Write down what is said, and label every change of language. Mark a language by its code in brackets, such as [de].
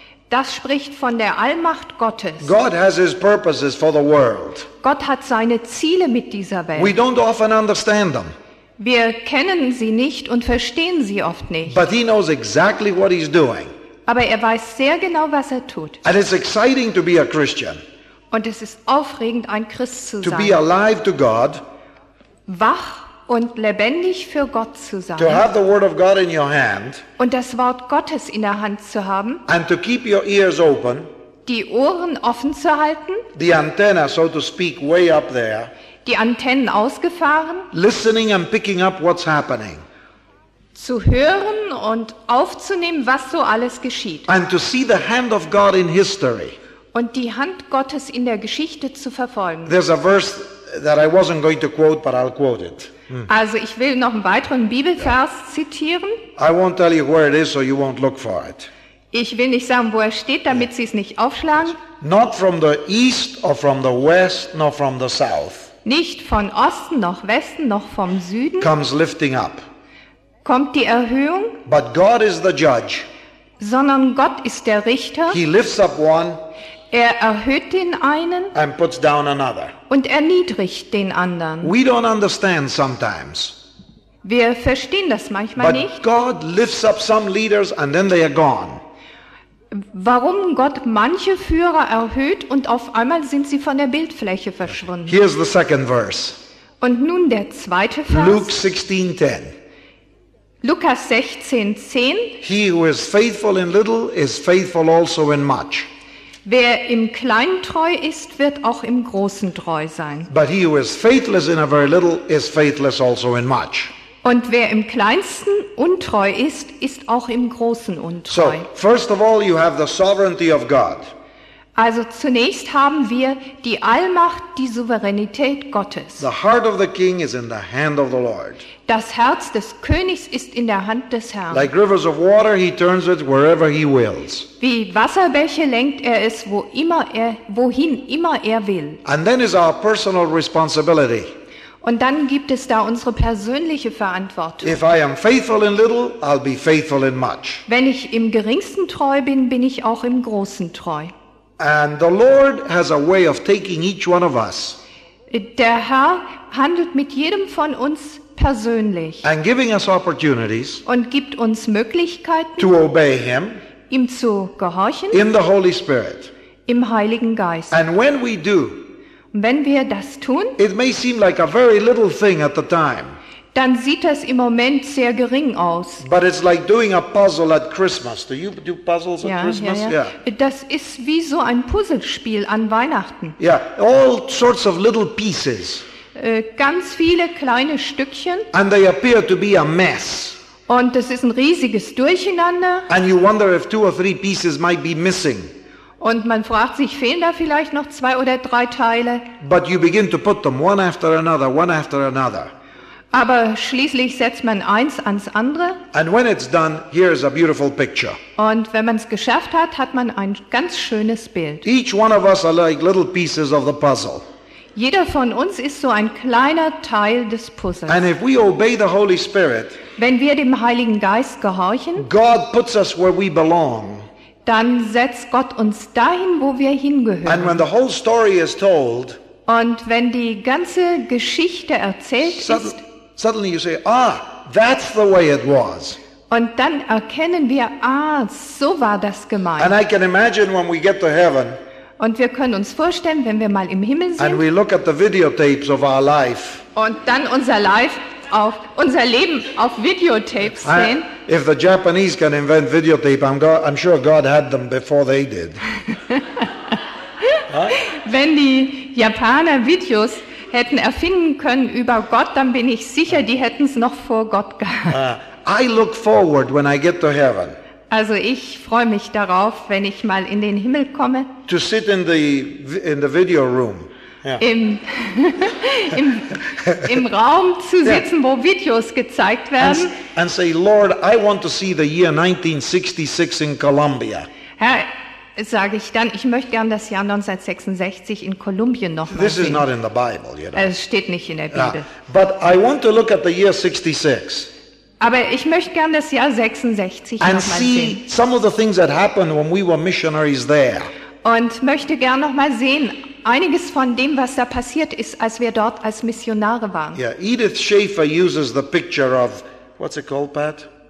[de] Das spricht von der Allmacht Gottes. [en] God has his purposes for the world. [de] Gott hat seine Ziele mit dieser Welt. [en] We don't often understand them. [de] Wir kennen sie nicht und verstehen sie oft nicht. [en] But he knows exactly what he's doing. [de] Aber er weiß sehr genau, was er tut. [en] And it's exciting to be a Christian. [de] Und es ist aufregend, ein Christ zu sein. [en] To be alive to God. [de] Wach und lebendig für Gott zu sein. [en] To have the word of God in your hand, [de] und das Wort Gottes in der Hand zu haben. [en] And to keep your ears open, [de] die Ohren offen zu halten. [en] The antenna, so to speak, way up there, [de] die Antennen ausgefahren. [en] Listening and picking up what's happening, [de] zu hören und aufzunehmen, was so alles geschieht. [en] And to see the hand of God in history, [de] und die Hand Gottes in der Geschichte zu verfolgen. [en] There's a verse that I wasn't going to quote, but I'll quote it. [de] Also, ich will noch einen weiteren Bibelvers zitieren. [en] I won't tell you where it is, so you won't look for it. [de] Ich will nicht sagen, wo er steht, damit Sie es nicht aufschlagen. [en] Not from the east or from the west, nor from the south. [de] Nicht von Osten noch Westen noch vom Süden. [en] Comes lifting up. [de] Kommt die Erhöhung. [en] But God is the judge. [de] Sondern Gott ist der Richter. [en] He lifts up one. [de] Er erhöht den einen [en] and puts down another. [de] Und erniedrigt den anderen. [en] We don't understand sometimes. [de] Wir verstehen das manchmal [en] but [de] nicht. [en] God lifts up some leaders and then they are gone. [de] Warum Gott manche Führer erhöht und auf einmal sind sie von der Bildfläche verschwunden. [en] Here's the second verse. [de] Und nun der zweite Vers. [en] Luke 16:10. [de] Lukas 16:10. [en] He who is faithful in little is faithful also in much. [de] Wer im Kleinen treu ist, wird auch im Großen treu sein. [en] But he who is faithless in a very little is faithless also in much. [de] Und wer im Kleinsten untreu ist, ist auch im Großen untreu. [en] So, first of all, you have the sovereignty of God. [de] Also zunächst haben wir die Allmacht, die Souveränität Gottes. [en] The heart of the king is in the hand of the Lord. [de] Das Herz des Königs ist in der Hand des Herrn. [en] Like rivers of water, he turns it wherever he wills. [de] Wie Wasserbäche lenkt er es, wohin immer er will. [en] And then is our personal responsibility. [de] Und dann gibt es da unsere persönliche Verantwortung. [en] If I am faithful in little, I'll be faithful in much. [de] Wenn ich im Geringsten treu bin, bin ich auch im Großen treu. [en] And the Lord has a way of taking each one of us. [de] Der Herr handelt mit jedem von uns persönlich. [en] And giving us opportunities. [de] Und gibt uns Möglichkeiten. [en] To obey him. [de] Ihm zu gehorchen. [en] In the Holy Spirit. [de] Im Heiligen Geist. [en] And when we do. [de] Wenn wir das tun. [en] It may seem like a very little thing at the time. [de] dann sieht das im Moment sehr gering aus. [en] But it's like doing a puzzle at Christmas. Do you do puzzles at Christmas? [de] Ja, ja. [en] Yeah. [de] Das ist wie so ein Puzzlespiel an Weihnachten. [en] Yeah, all sorts of little pieces. [de] Ganz viele kleine Stückchen. [en] And they appear to be a mess. [de] Und das ist ein riesiges Durcheinander. [en] And you wonder if two or three pieces might be missing. [de] Und man fragt sich, fehlen da vielleicht noch zwei oder drei Teile? [en] But you begin to put them one after another, one after another. [de] Aber schließlich setzt man eins ans andere. [en] And when it's done, here's a beautiful picture. [de] Und wenn man es geschafft hat, hat man ein ganz schönes Bild. [en] Each one of us are like little pieces of the puzzle. [de] Jeder von uns ist so ein kleiner Teil des Puzzles. [en] And if we obey the Holy Spirit, [de] wenn wir dem Heiligen Geist gehorchen, [en] God puts us where we belong. [de] Dann setzt Gott uns dahin, wo wir hingehören. [en] And when the whole story is told, [de] und wenn die ganze Geschichte erzählt ist, [en] suddenly you say, ah, that's the way it was. [de] Und dann erkennen wir, ah, so war das gemeint. [en] And I can imagine when we get to heaven, [de] und wir können uns vorstellen, wenn wir mal im Himmel sind, [en] and we look at the videotapes of our life, [de] und dann unser Leben auf Videotapes sehen. [en] If the Japanese can invent videotape, I'm sure God had them before they did. [de] Wenn die Japaner Videos hätten erfinden können über Gott, dann bin ich sicher, die hätten es noch vor Gott gehabt. [en] I look forward when I get to heaven. [de] Also ich freue mich darauf, wenn ich mal in den Himmel komme. [en] To sit in the video room. Yeah. [de] Im Raum zu sitzen, [en] yeah, [de] wo Videos gezeigt werden. [en] And say, Lord, I want to see the year 1966 in Colombia. [de] Herr, sage ich dann, ich möchte gern das Jahr 1966 in Kolumbien noch mal [en] this [de] sehen. [en] This is not in the Bible, you know. [de] Es steht nicht in der Bibel. [en] Yeah. But I want to look at the year 66. [de] Aber ich möchte gern das Jahr 66 [en] and [de] noch mal [en] see [de] sehen. [en] Some of the things that happened when we were missionaries there. [de] Und möchte gern noch mal sehen einiges von dem, was da passiert ist, als wir dort als Missionare waren. [en] Yeah, Edith Schaefer uses the picture of, what's it called, Pat?